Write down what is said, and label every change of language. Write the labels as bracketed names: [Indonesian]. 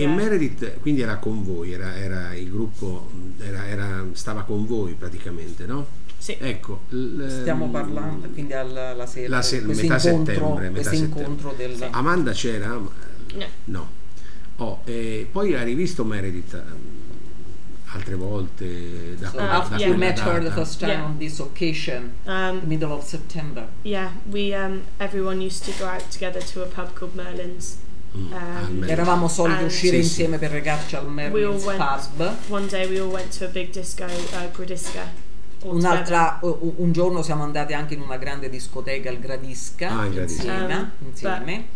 [Italian] E Meredith quindi era con voi era il gruppo era stava con voi praticamente no? Sì ecco stiamo parlando quindi alla sera metà settembre incontro del sì. Amanda c'era? No, no. Oh, poi hai rivisto Meredith altre volte da quella data. [English] After you met her the first time on this occasion, the middle of September. Yeah, we everyone used to go out together to a pub called Merlin's. [Italian] Eravamo soliti uscire insieme per recarci al Merlin's pub. [English] One day we all went to a big disco, Gradisca. [Italian] Un'altra, un giorno siamo andati anche in una grande discoteca, il Gradisca, insieme.